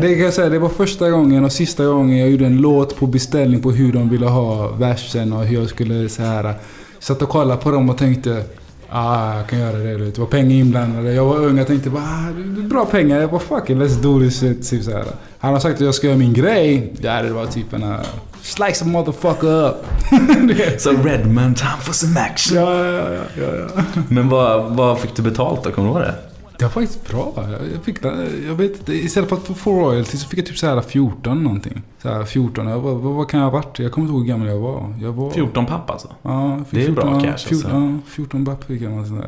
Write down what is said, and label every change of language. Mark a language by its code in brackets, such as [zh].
[sv] Det kan jag säga, det var första gången och sista gången jag gjorde en låt på beställning på hur de ville ha versen och hur jag skulle så här. Satt och kollade på dem och tänkte, jag kan göra det. Det var pengar inblandade. Jag var ung och tänkte, bra pengar. Jag bara, fuck it, let's do this shit. Typ så här. Han har sagt att jag ska göra min grej. Ja, det var typ en slice a motherfucker up. [en] Så Redman, time for some action. [sv] Ja. Men vad fick du betalt då? Kommer du ihåg det? Det var faktiskt bra. Jag vet, istället för att få royalty så fick jag typ så här 14 någonting. Så här 14. Vad kan jag ha varit? Jag kommer inte ihåg hur gammal jag var. 14 papp alltså? Ja, det är 14, bra cash 14, alltså. Ja, 14 papp fick jag.